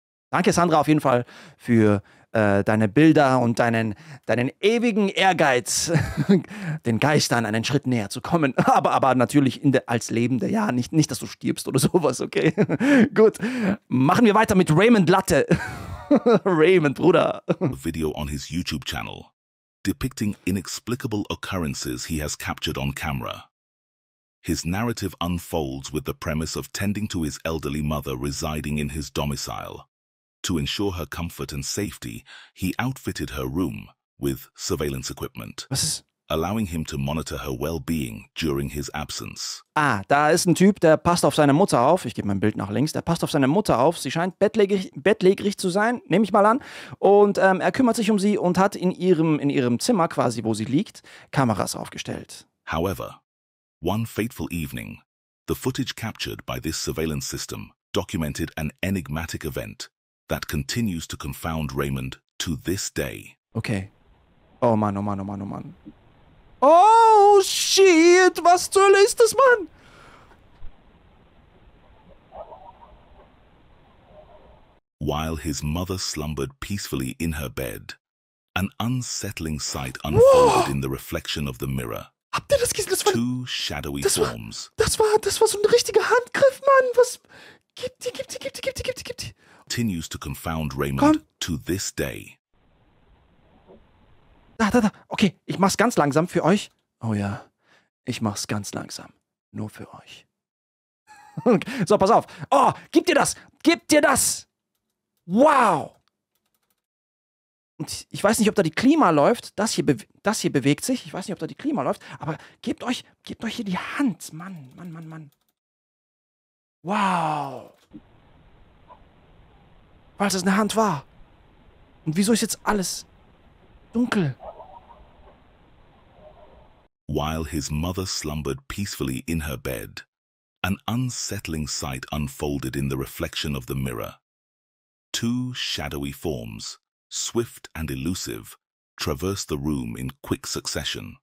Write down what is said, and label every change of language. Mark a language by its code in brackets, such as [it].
[de] Danke, Sandra, auf jeden Fall für deine Bilder und deinen ewigen Ehrgeiz, den Geistern einen Schritt näher zu kommen. Aber natürlich als Lebende, ja, nicht, dass du stirbst oder sowas, okay? Gut. Machen wir weiter mit Raymond Latte. Raymond, Bruder. [en] Video on his YouTube channel depicting inexplicable occurrences he has captured on camera. His narrative unfolds with the premise of tending to his elderly mother residing in his domicile. To ensure her comfort and safety, he outfitted her room with surveillance equipment, allowing him to monitor her well-being during his absence. [de] Ah, da ist ein Typ, der passt auf seine Mutter auf. Ich gebe mein Bild nach links. Der passt auf seine Mutter auf. Sie scheint bettlägerig zu sein, nehme ich mal an. Und er kümmert sich um sie und hat in ihrem Zimmer, quasi wo sie liegt, Kameras aufgestellt. However, one fateful evening, the footage captured by this surveillance system documented an enigmatic event that continues to confound Raymond to this day. Okay. Oh Mann, oh Mann, oh Mann, oh Mann. [en] Oh shit, [de] was zur Hölle ist das, Mann? [en] While his mother slumbered peacefully in her bed, an unsettling sight unfolded. Whoa. In the reflection of the mirror. [de] Habt ihr das gesehen? Das war, [en] two shadowy das forms. [de] War, das war so ein richtiger Handgriff, Mann. Was? Gib die. [en] Continues to confound Raymond. [de] Komm. [en] To this day. [de] Da. Okay, ich mach's ganz langsam für euch. Oh ja, ich mach's ganz langsam. Nur für euch. So, pass auf. Oh, gib dir das. Wow. Und ich weiß nicht, ob da die Klima läuft. Das hier bewegt sich. Ich weiß nicht, ob da die Klima läuft. Aber gebt euch hier die Hand. Mann. Wow. Falls es eine Hand war. Und wieso ist jetzt alles dunkel? [en] While his mother slumbered peacefully in her bed, an unsettling sight unfolded in the reflection of the mirror. Two shadowy forms, swift and elusive, traversed the room in quick succession.